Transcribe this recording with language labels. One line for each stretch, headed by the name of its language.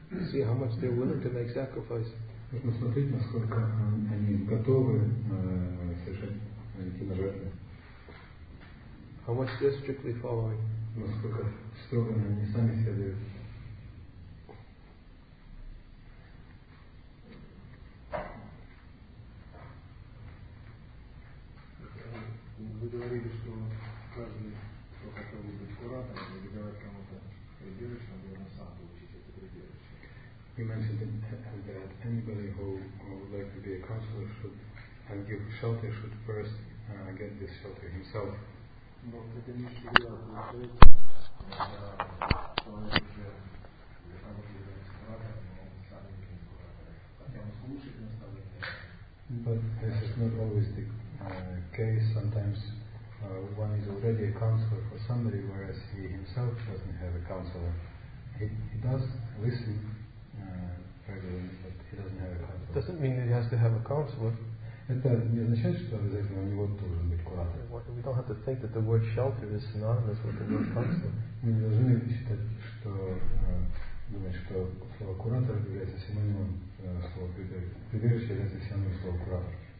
English: See how much they're willing to make sacrifice.
Russian: Нужно смотреть, насколько они готовы совершать эти жертвы.
English: How much they're strictly following.
Russian: Насколько строго они сами следуют. Вы говорили, что каждый, кто хотел бы быть куратором или давать кому-то прибежище, он должен сам получить это прибежище.
English: You mentioned that anybody who would like to be a counselor should and give shelter should first get this shelter himself.
Russian: Но это не всегда происходит.
English: But this is not always the case. Sometimes one is already a counselor for somebody, whereas he himself doesn't have a counselor. He does listen regularly, but he doesn't have a counselor. Doesn't mean that he has to have a counselor.
Russian: Это не означает, что обязательно у него должен быть куратор.
English: We don't have to think that the word shelter is synonymous with the word counselor.
Russian: Мы не должны считать, что что слово куратор является синонимом слова прибежище является синонимом слова куратор.